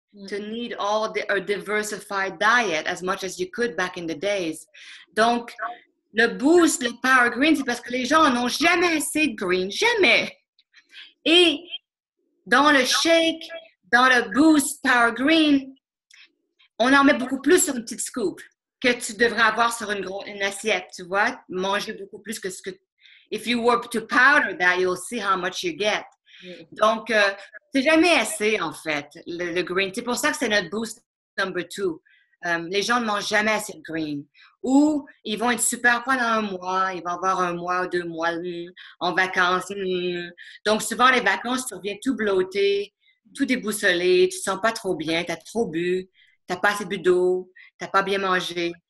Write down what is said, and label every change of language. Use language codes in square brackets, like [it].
[en] to need all a diversified diet as much as you could back in the days. [fr] Donc, le boost, le power green, c'est parce que les gens n'ont jamais assez de green, jamais. Et dans le shake, dans le boost power green, on en met beaucoup plus sur une petite scoop que tu devrais avoir sur une assiette, tu vois, manger beaucoup plus que ce que... [en] If you were to powder that, you'll see how much you get. [fr] Donc, c'est jamais assez, en fait, le green. C'est pour ça que c'est notre boost number two. Les gens ne mangent jamais assez de green. Ou ils vont être super pendant un mois, ils vont avoir un mois ou deux mois en vacances. Donc, souvent, les vacances, tu reviens tout bloaté, tout déboussolé, tu te sens pas trop bien, tu as trop bu, tu n'as pas assez bu d'eau, tu n'as pas bien mangé.